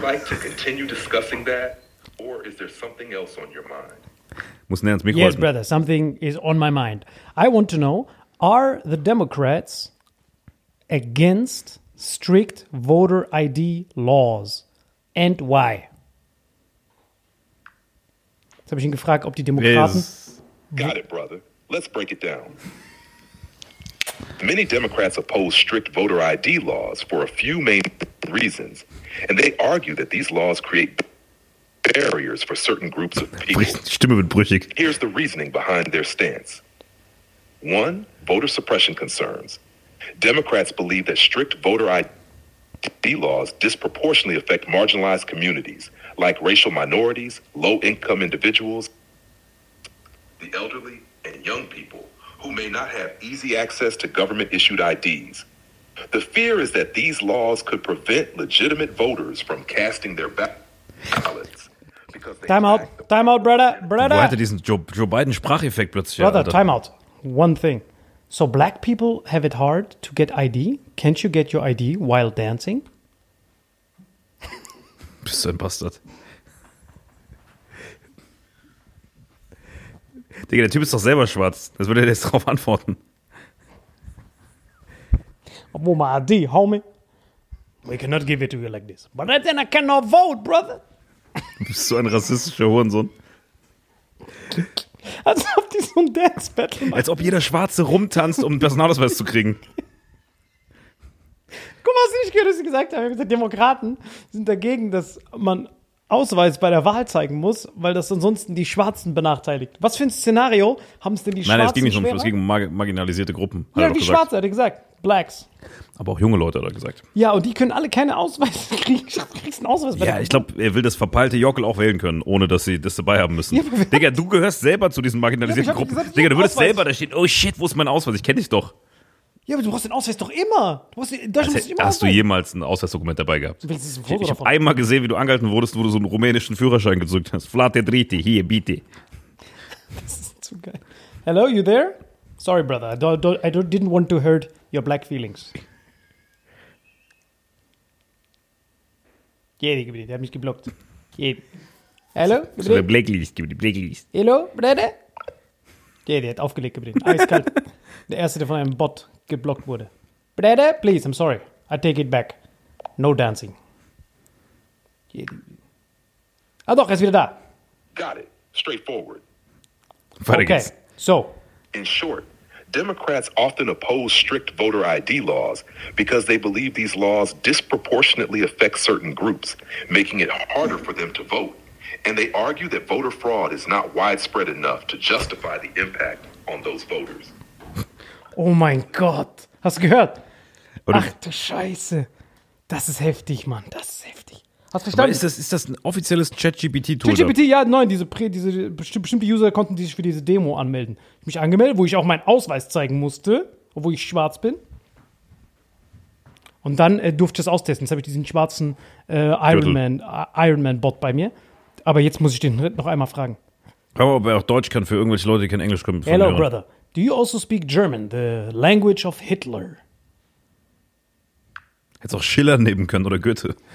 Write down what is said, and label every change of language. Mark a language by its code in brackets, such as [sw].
[en] Would you like to continue discussing that? Or is there something else on your mind? [de] Muss näher ans Mikro yes, halten. [en] Brother, something is on my mind. I want to know, are the Democrats against strict voter ID laws and why? [de] Jetzt habe ich ihn gefragt, ob die Demokraten... [en] Got it, brother. Let's break it down. Many Democrats oppose strict voter ID laws for a few main reasons, and they argue that these laws create barriers for certain groups of people. [de] Stimme wird brüchig. [en] Here's the reasoning behind their stance. One, voter suppression concerns. Democrats believe that strict voter ID laws disproportionately affect marginalized communities like racial minorities, low-income individuals, the elderly, and young people who may not have easy access to government-issued IDs. The fear is that these laws could prevent legitimate voters from casting their ballots. Time out, brother. [de] Wo hatte diesen Joe Biden Spracheffekt plötzlich? [en] Brother, ja, time out. One thing. So black people have it hard to get ID. Can't you get your ID while dancing? [de] Bist du ein Bastard. Digga, der Typ ist doch selber schwarz. Das würde er jetzt drauf antworten. [en] Wo my ID, homie? We cannot give it to you like this. But then I cannot vote, brother. [de] Bist du ein rassistischer Hurensohn? Als ob die so ein Dance-Battle machen. Als ob jeder Schwarze rumtanzt, um einen Personalausweis zu kriegen. Guck mal, hast du nicht gehört, was sie gesagt haben? Die Demokraten sind dagegen, dass man Ausweis bei der Wahl zeigen muss, weil das ansonsten die Schwarzen benachteiligt. Was für ein Szenario haben es denn die Schwarzen? Nein, es ging nicht schwerer? Um es ging um marginalisierte Gruppen. Ja, die Schwarze, hat er gesagt. [en] Blacks. [de] Aber auch junge Leute, hat er gesagt. Ja, und die können alle keine Ausweis kriegen. Du kriegst einen Ausweis bei der Wahl. Ja, ich glaube, er will das verpeilte Jockel auch wählen können, ohne dass sie das dabei haben müssen. Ja, Digga, du gehörst selber zu diesen marginalisierten Gruppen. Gesagt, Digga, du würdest Ausweis. Selber da stehen, [en] oh shit, [de] wo ist mein Ausweis? Ich kenne dich doch. Ja, aber du brauchst den Ausweis doch immer. Du brauchst den, das musst du immer hast du jemals ein Ausweisdokument dabei gehabt? Ich habe einmal gesehen, wie du angehalten wurdest, wo du so einen rumänischen Führerschein gezückt hast. Flate Dritti, hier, bitte. Das ist zu geil. [en] Hello, you there? Sorry, brother. I didn't want to hurt your black feelings. [de] Geh, gib dir, der hat mich geblockt. Geh. Hello? So eine Blacklist, gib die Blacklist. [en] Hello, brother? [de] Geh, der hat aufgelegt, gib dir. Eiskalt. Der erste, der von einem Bot geblockt wurde. [en] Brede, please, I'm sorry. I take it back. No dancing. [de] Ah doch, er ist wieder da. [en] Got it. Straightforward. [de] Weiter okay, geht's. So. [en] In short, Democrats often oppose strict voter ID laws because they believe these laws disproportionately affect certain groups, making it harder for them to vote. And they argue that voter fraud is not widespread enough to justify the impact on those voters. [de] Oh mein Gott, hast du gehört? Oder? Ach du Scheiße, das ist heftig, Mann, das ist heftig. Hast du verstanden? Aber ist das ein offizielles ChatGPT-Tool? ChatGPT, ja, nein, diese bestimmte User konnten sich für diese Demo anmelden. Ich habe mich angemeldet, wo ich auch meinen Ausweis zeigen musste, obwohl ich schwarz bin. Und dann durfte ich das austesten. Jetzt habe ich diesen schwarzen Iron Man-Bot bei mir. Aber jetzt muss ich den noch einmal fragen. Hör mal, ob er auch Deutsch kann für irgendwelche Leute, die kein Englisch können. [en] Hello, mir. Brother. Do you also speak German, the language of Hitler? [de] Hättest auch Schiller nehmen können oder Goethe.